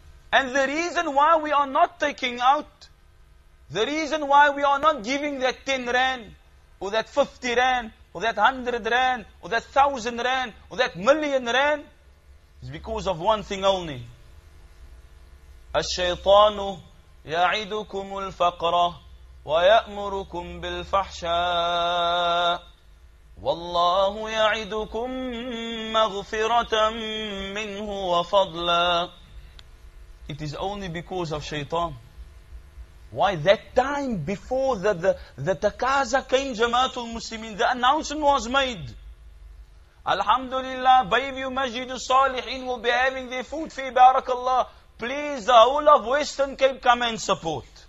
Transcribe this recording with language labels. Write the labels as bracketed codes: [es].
[en] And the reason why we are not taking out, the reason why we are not giving that 10 rand, or that 50 rand, or that 100 rand, or that 1,000 rand, or that million rand, is because of one thing only. [ar] الشيطان يعدكم الفقر ويأمركم بالفحشاء والله يعدكم مغفرة منه وفضلا. [en] It is only because of Shaitan. Why that time before the takaza came, Jamaatul Muslimin, the announcement was made. Alhamdulillah, Bayview Masjid Salihin will be having their food fee, Barakallah. Please, the whole of Western Cape, come and support.